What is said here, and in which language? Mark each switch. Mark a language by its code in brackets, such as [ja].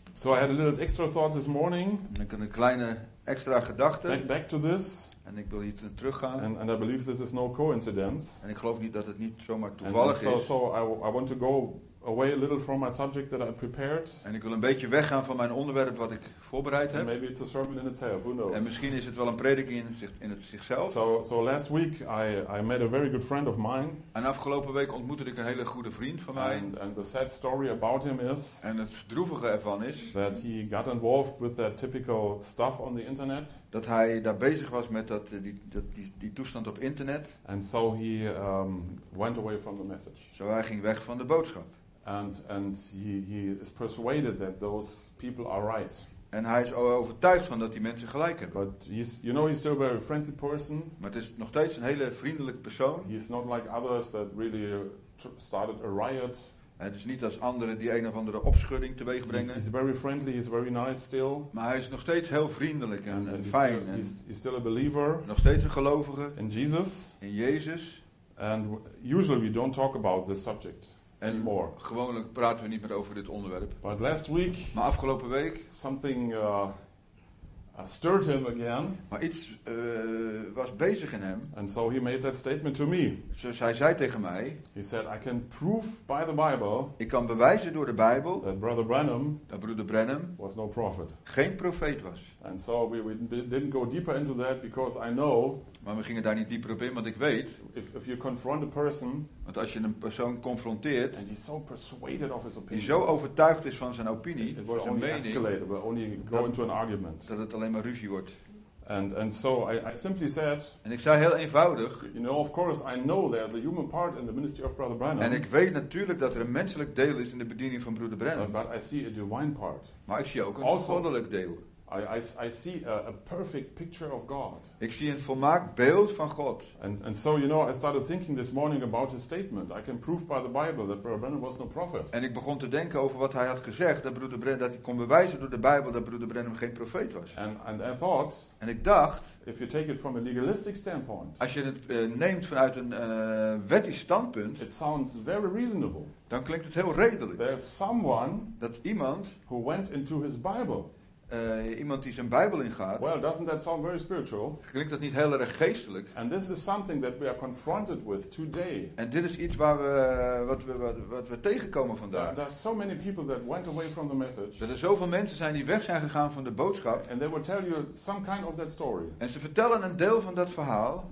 [en] So I had a little extra thought this morning. [nl] En ik had een kleine extra gedachte. [en] Back to this. [nl] En ik wil hier teruggaan. [en] And I believe this is no coincidence. [nl] En ik geloof niet dat het niet zomaar toevallig [en] so, [nl] is. [en] So I want to go away a little from my subject that I prepared. [nl] En ik wil een beetje weggaan van mijn onderwerp wat ik voorbereid heb. [en] And maybe it's a sermon in itself. Who knows? [nl] En misschien is het wel een prediking in het zichzelf. [en] So last week I met a very good friend of mine. [nl] En afgelopen week ontmoette ik een hele goede vriend van mij. [en] And the sad story about him is. [nl] En het droevige ervan is. [en] That he got involved with that typical stuff on the internet. [nl] Dat hij daar bezig was met die toestand op internet. [en] And so he went away from the message. [nl] Zo hij ging weg van de boodschap. [en] And he is persuaded that those people are right. [nl] En hij is overtuigd van dat die mensen gelijk hebben. [en] But he's still a very friendly person. [nl] Maar het is nog steeds een hele vriendelijke persoon. [en] He's not like others that really started a riot. [nl] Het is niet als anderen die een of andere opschudding teweeg brengen. [en] He's very friendly, he's very nice still. [nl] Maar hij is nog steeds heel vriendelijk en fijn. [en] He's still a believer. [nl] Nog steeds een gelovige. [en] In Jesus. [nl] In Jezus. [en] And usually we don't talk about this subject. [nl] En [en] more. [nl] Gewoonlijk praten we niet meer over dit onderwerp. [en] But last week, [nl] maar afgelopen week, [en] something stirred him again. [nl] Maar iets was bezig in hem. [en] And so he made that statement to me. [nl] Dus hij zei tegen mij. [en] He said, I can prove by the Bible. [nl] Ik kan bewijzen door de Bijbel. [en] That Brother Branham. [nl] Dat broeder Branham. [en] Was no prophet. [nl] Geen profeet was. [en] And so we didn't go deeper into that because I know. [nl] Maar we gingen daar niet dieper op in, want ik weet. [en] If you confront a person, [nl] want als je een persoon confronteert. [en] And he's so persuaded of his opinion, [nl] die zo overtuigd is van zijn opinie. [en] It was [nl] zijn [en] only [nl] mening, [en] escalated, but only go dat, into an argument. [nl] Dat het alleen maar ruzie wordt. [en] And so I simply said. [nl] En ik zei heel eenvoudig. [en] You know, of course, I know there's a human part in the ministry of Brother Branham. [nl] En ik weet natuurlijk dat er een menselijk deel is in de bediening van broeder Branham. [en] But I see a divine part. [nl] Maar ik zie ook een goddelijk deel. [en] I see a perfect picture of God. [nl] Ik zie een volmaakt beeld van God. [en] And so, you know, I started thinking this morning about his statement. I can prove by the Bible that Brother Branham was no prophet. [nl] En ik begon te denken over wat hij had gezegd, dat Broeder Branham, dat hij kon bewijzen door de Bijbel dat Broeder Branham geen profeet was. [en] And I thought. [nl] En ik dacht. [en] If you take it from a legalistic standpoint. [nl] Als je het neemt vanuit een wettisch standpunt. [en] It sounds very reasonable. [nl] Dan klinkt het heel redelijk. [en] There's someone. [nl] Dat iemand. [en] Who went into his Bible. [nl] Iemand die zijn Bijbel ingaat. [en] Well, doesn't that sound very spiritual? [nl] Klinkt dat niet heel erg geestelijk? [en] And this is something that we are confronted with today. [nl] En dit is iets waar we tegenkomen vandaag. [en] There are so many people that went away from the message. [nl] Dat er zoveel mensen zijn die weg zijn gegaan van de boodschap. [en] And they will tell you some kind of that story. [nl] En ze vertellen een deel van dat verhaal.